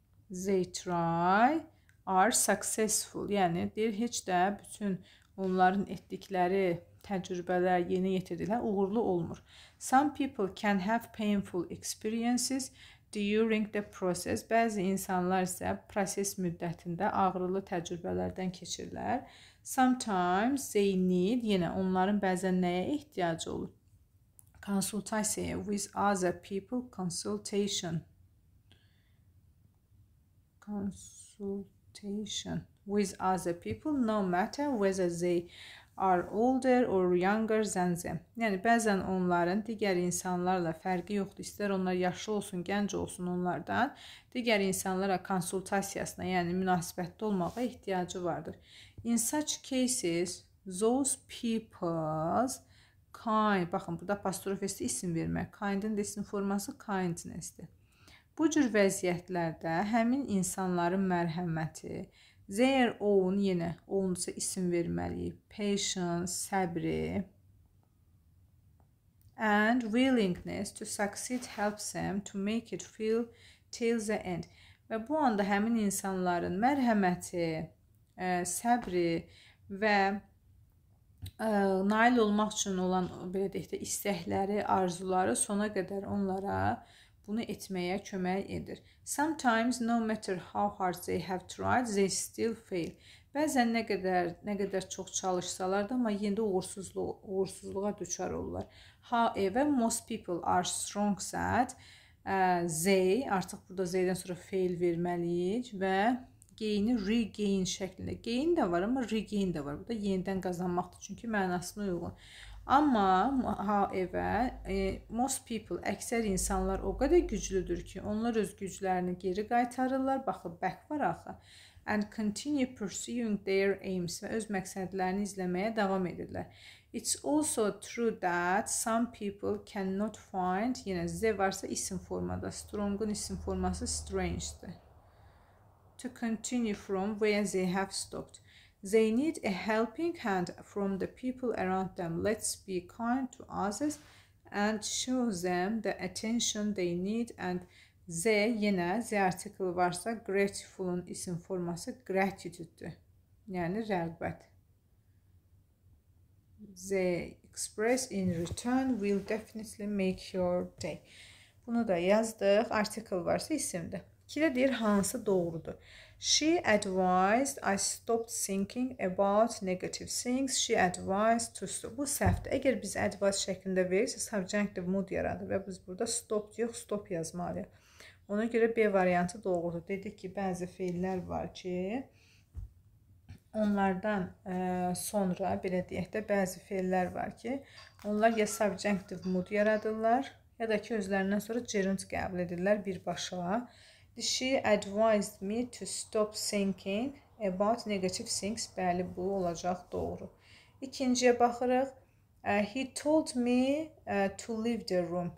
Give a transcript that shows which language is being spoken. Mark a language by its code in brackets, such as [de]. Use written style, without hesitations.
[en] They try, are successful. [az] Yəni, deyir, heç də bütün onların etdikləri təcrübələr, yeni yetirdiklər uğurlu olmur. [en] Some people can have painful experiences during the process. [az] Bəzi insanlar isə proses müddətində ağrılı təcrübələrdən keçirlər. [en] Sometimes they need, [az] yenə onların bəzən nəyə ehtiyacı olur? [en] Consultation with other people, consultation. Consultation with other people, no matter whether they are older or younger than them. [az] Yəni, bəzən onların digər insanlarla fərqi yoxdur. İstər onlar yaşlı olsun, gənc olsun onlardan, digər insanlara konsultasiyasına, yəni münasibətdə olmağa ehtiyacı vardır. [en] In such cases, those people's kind, [az] baxın, burada apostrofesi isim vermək, kindin isim forması kindness-dir. Bu cür vəziyyətlərdə həmin insanların mərhəməti, [en] their own, [az] yenə onunsa isim verməliyik, [en] patience, səbri and willingness to succeed helps them to make it feel till the end. [az] Və bu anda həmin insanların mərhəməti, səbri və nail olmaq üçün olan belə deyək də, istəkləri, arzuları sona qədər onlara bunu etməyə kömək edir. [en] Sometimes, no matter how hard they have tried, they still fail. [az] Bəzən nə qədər çox çalışsalar da, amma yenə də uğursuzluğa düşər olurlar. [en] However, most people are strong that they, [az] artıq burada they-dən sonra fail verməliyik və gain-i regain şəklində. Gain də var, amma regain də var. Bu da yenidən qazanmaqdır, çünki mənasına uyğun. Amma, [en] however, most people, [az] əksər insanlar o qədər güclüdür ki, onlar öz güclərini geri qaytarırlar, baxıb, back var axı, [en] and continue pursuing their aims [az] və öz məqsədlərini izləməyə davam edirlər. [en] It's also true that some people cannot find, [az] yenə Z varsa isim formada, strong-un isim forması strange-dir, [en] to continue from where they have stopped. They need a helping hand from the people around them. Let's be kind to others and show them the attention they need. And they, [az] yenə, the article varsa, grateful-un isim forması gratitude-dür. Yəni, rəğbət. [en] They express in return will definitely make your day. [az] Bunu da yazdıq. Article varsa isimdir. Ki də deyir, hansı doğrudur. [en] She advised I stopped thinking about negative things. She advised to stop. [az] Bu səhvdir. Əgər biz advice şəklində verirsə, subjunctive mood yaradır və biz burada stop yox, stop yazmalıyıq. Ona görə B variantı doğrudur. Dedik ki, bəzi feillər var ki, onlardan sonra, belə deyək də, bəzi feillər var ki, onlar ya subjunctive mood yaradırlar, ya da ki, özlərindən sonra gerund qəbul edirlər birbaşa. [en] She advised me to stop thinking about negative things. [az] Bəli, bu olacaq doğru. İkinciyə baxırıq. [en] He told me to leave the room.